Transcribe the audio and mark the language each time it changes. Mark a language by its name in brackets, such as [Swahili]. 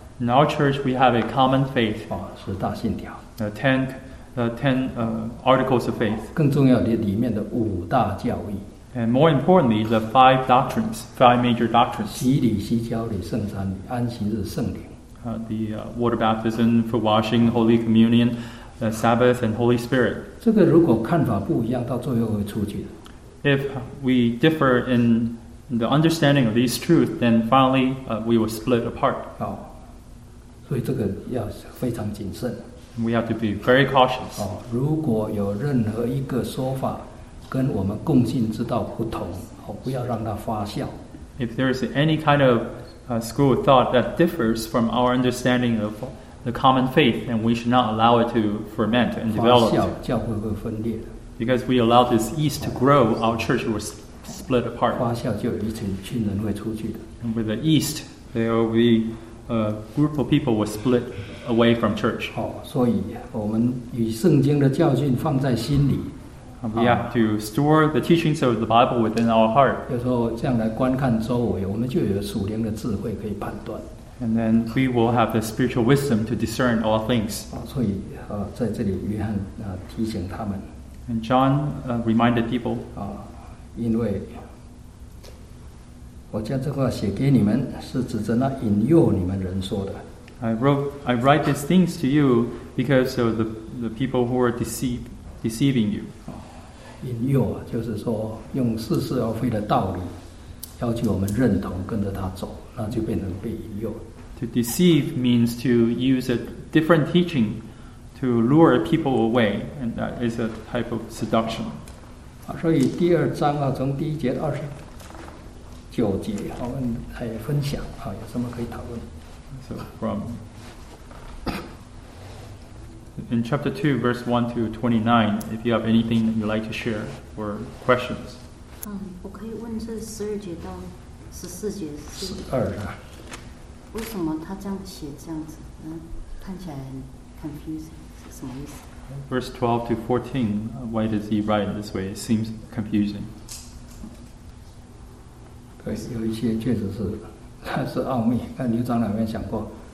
[English] In our church, we have a common faith. [Chinese] 啊，十大信条。 [English] The ten articles of faith. [Chinese] 更重要的里面的五大教义。 [English] And more importantly, the five doctrines, five major doctrines. [Chinese] 洗礼、洗脚礼、圣餐礼、安息日、圣灵。 [English] The water baptism for washing, Holy Communion, the Sabbath, and Holy Spirit. [Chinese] 这个如果看法不一样，到最后会出去的。 [English] If we differ in the understanding of these truths, then finally, we will split apart. [Chinese] 哦，所以这个要非常谨慎。 [English] We have to be very cautious. [Chinese] 哦，如果有任何一个说法跟我们共信之道不同，哦，不要让它发酵。 [English] If there is any kind of school of thought that differs from our understanding of the common faith, then we should not allow it to ferment and develop. [Chinese] 发酵，教会会分裂。 [English] Because we allow this yeast to grow, our church will split apart. [Chinese] 发酵就有一群人会出去的。 [English] And with the yeast, there will be a group of people will split away from church. [Chinese] 哦，所以我们与圣经的教训放在心里。 [English] We have to store the teachings of the Bible within our heart. [Chinese] 有时候这样来观看周围，我们就有属灵的智慧可以判断。 [English] And then we will have the spiritual wisdom to discern all things. [Chinese] 所以在这里约翰提醒他们。 [English] And John reminded people. [Chinese] 因为我将这话写给你们，是指着那引诱你们人说的。 [English] I write these things to you because of the people who are deceiving you. [Chinese] 引诱啊，就是说用似是而非的道理要求我们认同跟着他走，那就变成被引诱。 [English] To deceive means to use a different teaching to lure people away, and that is a type of seduction. [Chinese] 所以第二章啊，从第一节到29节，我们来分享啊，有什么可以讨论？ [English] So from in chapter 2, verse 1 to 29, if you have anything that you'd like to share or questions. [Chinese] 我可以问这12节到14节是 12啊。为什么他这样写这样子？看起来很 confusing, 是什么意思？ [English] Verse 12 to 14, why does he write this way? It seems confusing. [Chinese] 对，有一些确实是，它是奥秘，但刘长老没想过。